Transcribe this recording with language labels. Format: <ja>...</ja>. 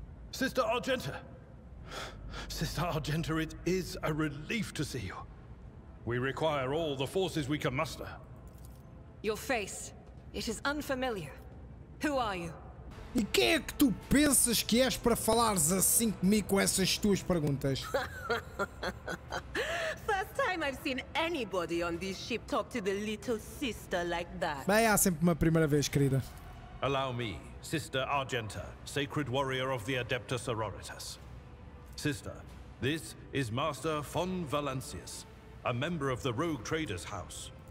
<en>Sister Argenta! Sister Argenta, it is a relief to see you. We require all the forces we can muster. Your face, it is unfamiliar. Who are you?</en> <pt>E quem é que tu pensas que és para falares assim comigo com essas tuas perguntas?</pt> <en>First time I've seen anybody on this ship talk to the little sister like that.</en> <pt>Bem, há sempre uma primeira vez, querida.</pt> <en>Allow me, Sister Argenta, sacred warrior of the Adeptus Sororitas. Sister, this is Master von Valancius, a member of the Rogue Trader's House.</en>